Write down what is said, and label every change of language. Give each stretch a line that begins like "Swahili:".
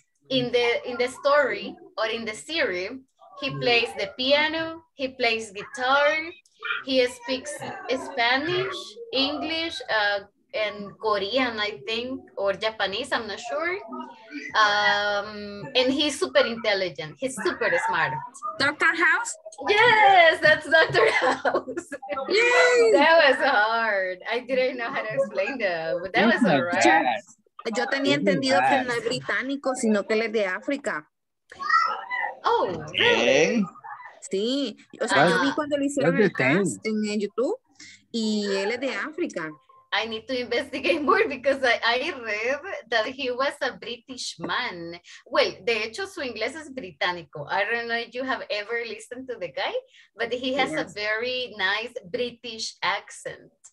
English: In the story or in the series, he plays the piano, he plays guitar, he speaks Spanish, English, and Korean, I think, or Japanese, I'm not sure. And he's super intelligent, he's super smart. Dr. House? Yes, that's Dr. House. Yay! That was hard. I didn't know how to explain that, but that was all right.
Spanish: Yo tenía entendido que no es británico, sino que él es de África.
English: Oh, really?
Spanish: Sí. O sea, yo vi cuando le hicieron el test en YouTube y él es de África.
English: I need to investigate more because I read that he was a British man. Well,
Spanish: de hecho, su inglés es británico.
English: I don't know if you have ever listened to the guy, but he has a very nice British accent.